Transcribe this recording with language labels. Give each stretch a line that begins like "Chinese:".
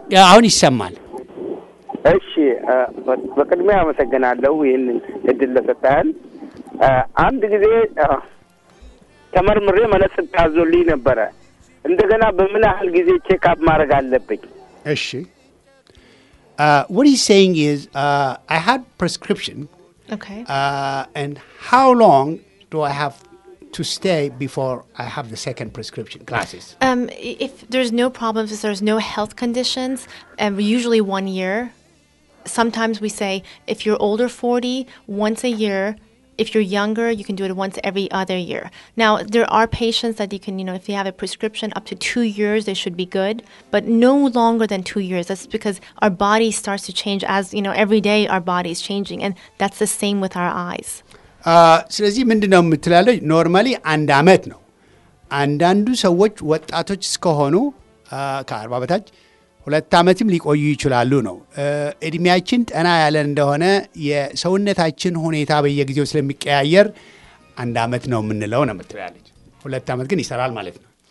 Amharic: አሁን ይሰማል እሺ በቅድሚያ አመሰግናለሁ ይሄን እድል ለሰጣችሁ አንድ ጊዜ ተመርምሬ መነጽ ታዞልኝ ነበረ እንደገና በምን ያህል ጊዜ ቼክ አፕ ማድረግ አለብኝ
English: እሺ what he's saying is I had prescription okay and how long do I have to stay before I have the second prescription glasses if there's no problems if there's no health conditions and usually 1 year sometimes we say if you're older 40 once a year If you're younger, you can do it once every other year. Now, there are patients that you can, you know, if they have a prescription up to 2 years, they should be good. But no longer than 2 years. That's because our body starts to change as, you know, every day our body is changing. And that's the same with our eyes.
Amharic: ስለዚህ ምንድነው የምትላለው? ኖርማሊ አንድ አመት ነው። አንዳንዱ ሰዎች ወጣቶች ስከሆኑ ከ40 በታች ሁለት አመትም ሊቆዩ ይችላሉ ነው። እድሜያችን ጠና ያለ እንደሆነ የሰውነታችን ሁኔታ በየጊዜው ስለሚቀያየር አንድ አመት ነው የምንለው ነው የምትላለች። ሁለት አመት ግን ይሰራል ማለት ነው።